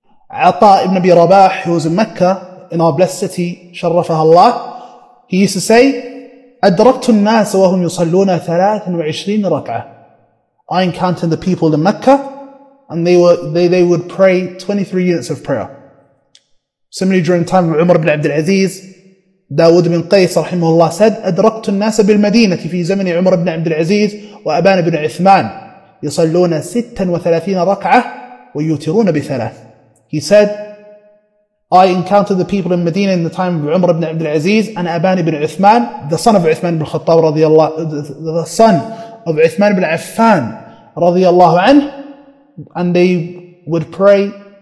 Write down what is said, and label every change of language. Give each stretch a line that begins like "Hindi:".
English: Ata ibn Abi Rabah, who was in Mecca, in our blessed city, sharrafah Allah, he used to say,
Arabic: أَدْرَكْتُ النَّاسَ وَهُمْ يُصَلُّونَ 23 رَكْعَةً.
English: I encountered the people in Mecca, and they would pray 23 units of prayer. Similarly, during the time of Umar ibn Abdul Aziz, Dawud ibn Qais, rahimahullah, said,
Arabic: أَدْرَكْتُ النَّاسَ بِالْمَدِينَةِ فِي زَمْنِ عُمَرَ ابْنِ عَبْدِ الْعَزِيزِ وَأَبَانَ ابْنِ عِثْمَانِ يُصَلُّونَ 36 رَكْعَةً وَيُوتِرُونَ بِثَلَاثٍ.
English: He said, I encountered the people in Medina in the time of Umar ibn Abdul Aziz and Aban ibn Uthman, the son of Uthman ibn Khattab radiallahu anhu, the son of Uthman ibn Affan radiallahu anhu, and they would pray